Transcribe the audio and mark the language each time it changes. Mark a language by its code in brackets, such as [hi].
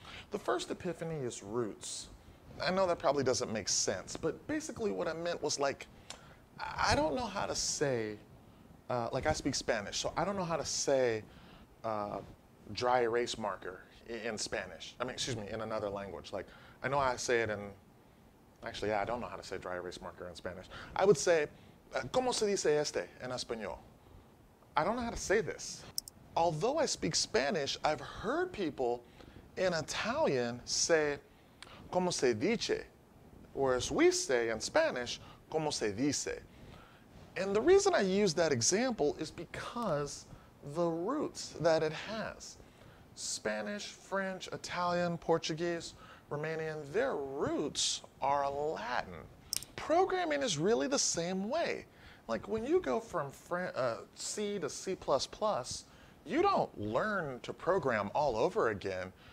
[en] The first epiphany is roots. I know that probably doesn't make sense, but basically what I meant was like, I don't know how to say like I speak Spanish, so I don't know how to say dry erase marker in Spanish. I mean, excuse me, in another language. Like, I know I say it in, actually, yeah, I don't know how to say dry erase marker in Spanish. I would say, [es] ¿cómo se dice este en español? [en] I don't know how to say this. Although I speak Spanish, I've heard people in Italian say, [es] ¿cómo se dice? [en] Whereas we say in Spanish, [es] ¿cómo se dice? [en] And the reason I use that example is because the roots that it has. Spanish, French, Italian, Portuguese, Romanian, their roots are Latin. Programming is really the same way. Like when you go from C to C++, you don't learn to program all over again.